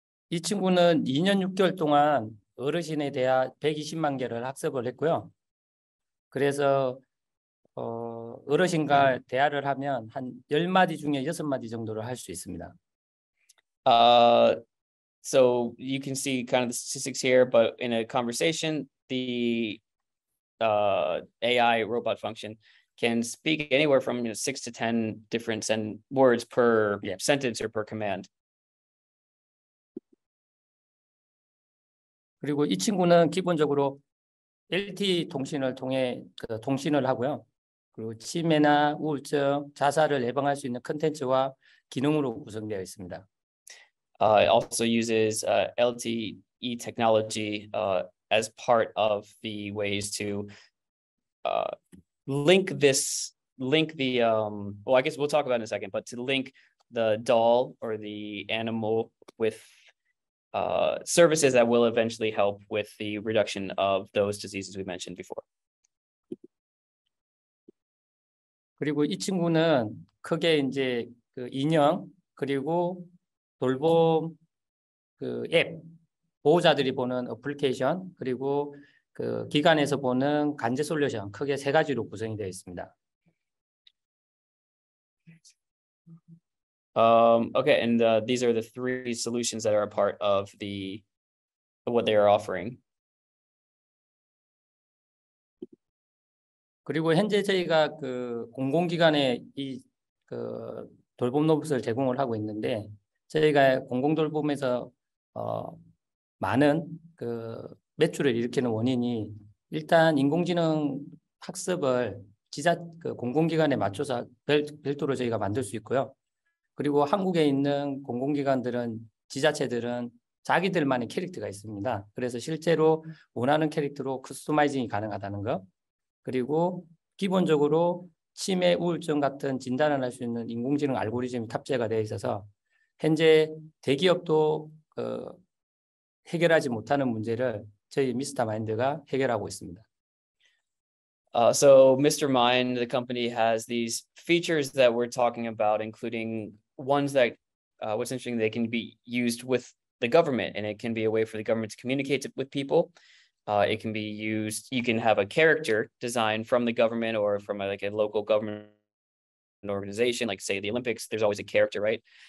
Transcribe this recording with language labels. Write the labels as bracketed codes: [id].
[en] This [ko] 친구는 2년 6개월 동안 어르신에 대한 120만 개를 학습을 했고요. 그래서 어르신과 대화를 하면 한 10마디 중에 6마디 정도를 할 수 있습니다. [en] So you can see kind of the statistics here, but in a conversation, the AI robot function can speak anywhere from, you know, 6 to 10 different words per sentence or per command. [ko] 그리고 이 친구는 기본적으로 LTE 통신을 통해 그 통신을 하고요. 그리고 치매나 우울증, 자살을 예방할 수 있는 콘텐츠와 기능으로 구성되어 있습니다. [en] Also uses LTE technology as part of the ways to link the doll or the animal with services that will eventually help with the reduction of those diseases we mentioned before. [ko] 그리고 이 친구는 크게 이제 그 인형 그리고 돌봄 그 앱 보호자들이 보는 어플리케이션 그리고 그 기관에서 보는 간제 솔루션 크게 세 가지로 구성이 되어 있습니다. [en] Okay, and these are the three solutions that are a part of the what they are offering. [ko] 그리고 현재 저희가 그 공공기관에 이 그 돌봄 로봇을 제공을 하고 있는데 저희가 공공 돌봄에서 많은 그 매출을 일으키는 원인이 일단 인공지능 학습을 지자 그 공공기관에 맞춰서 별도로 저희가 만들 수 있고요. 그리고 한국에 있는 공공기관들은 지자체들은 자기들만의 캐릭터가 있습니다. 그래서 실제로 원하는 캐릭터로 커스터마이징이 가능하다는 것. 그리고 기본적으로 치매, 우울증 같은 진단을 할 수 있는 인공지능 알고리즘이 탑재가 되어 있어서 현재 대기업도 그 해결하지 못하는 문제를 저희 미스터 마인드가 해결하고 있습니다. [en] So Mr. Mind, the company, has these features that we're talking about, including ones that what's interesting, they can be used with the government, and it can be a way for the government to communicate with people. It can be used, you can have a character designed from the government or from a local government organization, like say the Olympics, there's always a character, right?